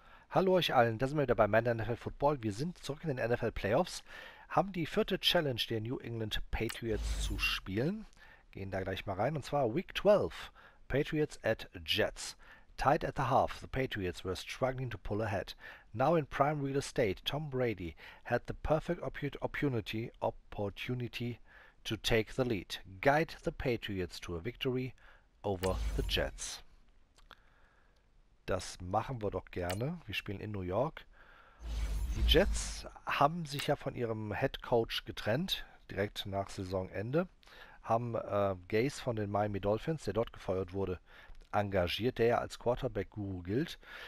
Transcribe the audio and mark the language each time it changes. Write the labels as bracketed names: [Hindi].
[German] Hallo euch allen, da sind wir wieder bei Madden NFL Football. Wir sind zurück in den NFL Playoffs, haben die vierte Challenge der New England Patriots zu spielen. Gehen da gleich mal rein und zwar Week 12. Patriots at Jets. [English] Tied at the half, the Patriots were struggling to pull ahead. Now in prime real estate, Tom Brady had the perfect opportunity to take the lead. Guide the Patriots to a victory over the Jets. [German] Das machen wir doch gerne. Wir spielen in New York. Die Jets haben sich ja von ihrem Head Coach getrennt, direkt nach Saisonende, haben Gase von den Miami Dolphins, der dort gefeuert wurde, engagiert, der ja als Quarterback-Guru gilt.